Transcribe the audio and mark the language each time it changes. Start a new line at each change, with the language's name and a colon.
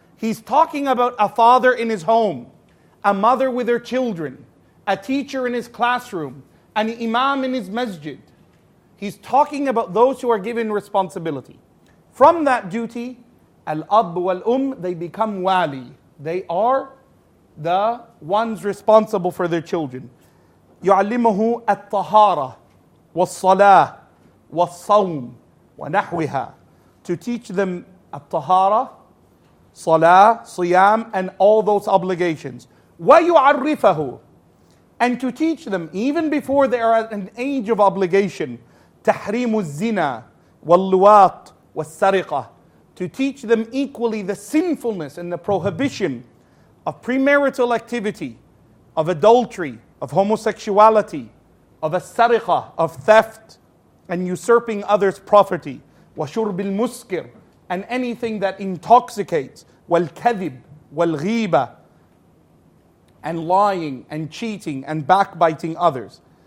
English: He's talking about a father in his home, a mother with her children, a teacher in his classroom, an imam in his masjid. He's talking about those who are given responsibility. From that duty,
Arabic: al-ab wal-um,
English: they become wali. They are the ones responsible for their children.
Arabic: يُعَلِّمُهُ الطَّهَارَةَ وَالصَّلَاةَ وَالصَّوْمَ وَنَحْوِهَا
English: To teach them
Arabic: الطَّهَارَةَ صَلَاةَ صِيَامَ
English: and all those obligations.
Arabic: وَيُعَرِّفَهُ
English: And to teach them, even before they are at an age of obligation,
Arabic: تَحْرِيمُ الزِّنَا وَاللُّوَاطِ وَالسَّرِقَةَ
English: To teach them equally the sinfulness and the prohibition of premarital activity, of adultery, of homosexuality, of as-sariqah, of theft, and usurping others' property,
Arabic: وَشُرْبِ الْمُسْكِرِ
English: And anything that intoxicates,
Arabic: وَالْكَذِبْ وَالْغِيبَ
English: And lying, and cheating, and backbiting others.